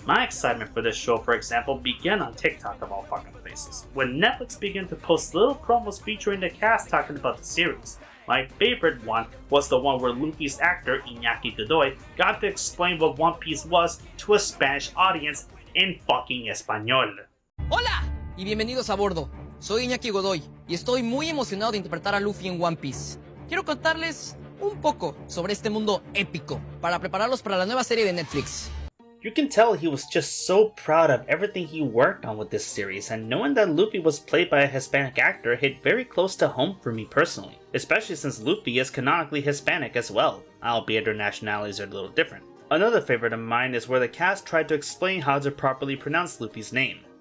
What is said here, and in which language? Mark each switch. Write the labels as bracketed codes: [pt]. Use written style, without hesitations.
[en] My excitement for this show, for example, began on TikTok of all fucking places, when Netflix began to post little promos featuring the cast talking about the series. My favorite one was the one where Luffy's actor, Iñaki Godoy, got to explain what One Piece was to a Spanish audience in fucking Espanol. [es] Hola y bienvenidos a bordo. Soy Iñaki Godoy y estoy muy emocionado de interpretar a Luffy en One Piece. Quiero contarles un poco sobre este mundo épico para prepararlos para la nueva serie de Netflix. [en] You can tell he was just so proud of everything he worked on with this series, and knowing that Luffy was played by a Hispanic actor hit very close to home for me personally, especially since Luffy is canonically Hispanic as well, albeit their nationalities are a little different. Another favorite of mine is where the cast tried to explain how to properly pronounce Luffy's name.